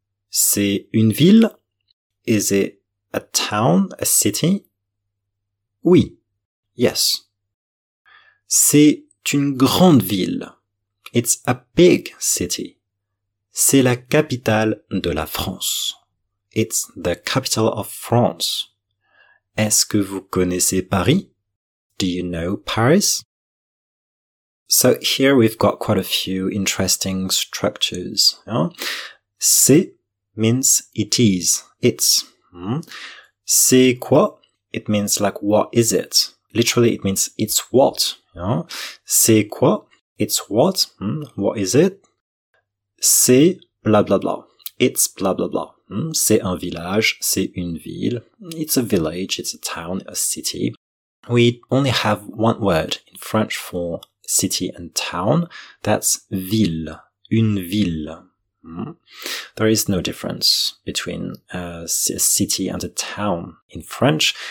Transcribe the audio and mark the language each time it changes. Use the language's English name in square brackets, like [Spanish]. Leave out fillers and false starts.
[French] C'est une ville? [English] Is it a town, a city? Oui. Yes. [French] C'est une grande ville. [English] It's a big city. [French] C'est la capitale de la France. [English] It's the capital of France. [French] Est-ce que vous connaissez Paris? [English] Do you know Paris? So here we've got quite a few interesting structures. Yeah? C'est means it is, it's. [French] C'est quoi? [English] It means like what is it? Literally it means it's what. Yeah? [French] C'est quoi? [English] It's what? What is it? C'est blah blah blah. It's blah blah blah. [French] C'est un village, c'est une ville. [English] It's a village, it's a town, a city. We only have one word in French for city and town. That's ville, [French] une ville. [English] There is no difference between a city and a town in French.